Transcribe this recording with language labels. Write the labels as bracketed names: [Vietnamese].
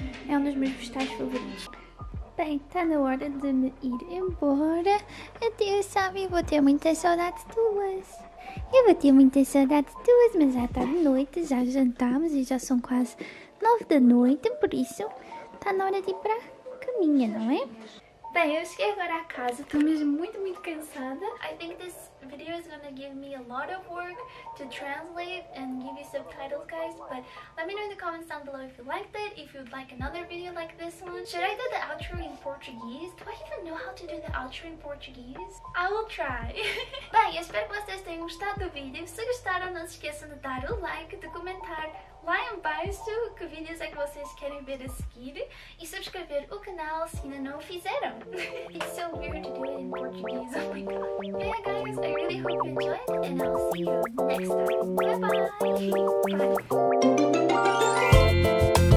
[Portuguese] É um dos meus vegetais favoritos. Bem, está na hora de me ir embora. Adeus, Sábio. Vou ter muita saudade de tuas. Eu vou ter muita saudade de tuas, mas já está de noite, já jantamos e já são quase 9 da noite, por isso. Está na hora de ir para a caminha, não é? Bem, eu cheguei agora à casa. Estou mesmo muito, muito cansada. [English] I think this video is going to give me a lot of work to translate and give you subtitles, guys. But let me know in the comments down below if you liked it, if you'd like another video like this one. Should I do the outro in Portuguese? Do I even know how to do the outro in Portuguese? I will try. [Portuguese] Bem, eu espero que vocês tenham gostado do vídeo. Se gostaram, não se esqueçam de dar o like, de comentar lá embaixo que vídeos é que vocês querem ver a seguir e subscrever o canal se ainda não o fizeram. [English] It's so weird to do it in Portuguese, oh my god. Yeah guys, I really hope you enjoyed and I'll see you next time. Bye bye.